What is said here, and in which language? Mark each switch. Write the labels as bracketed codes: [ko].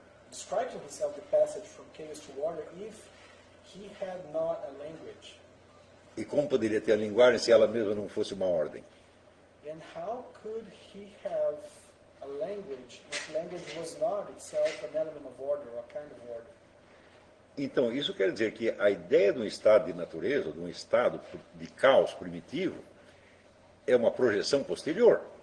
[en] Describing himself the passage from chaos to order if he had not a language. [pt] E como poderia ter a linguagem se ela mesma não fosse uma ordem? [en] And how could he have a language if language was not itself an element of order, a kind of order? [pt] Então, isso quer dizer que a ideia de um estado de natureza, de um estado de caos primitivo, é uma projeção posterior.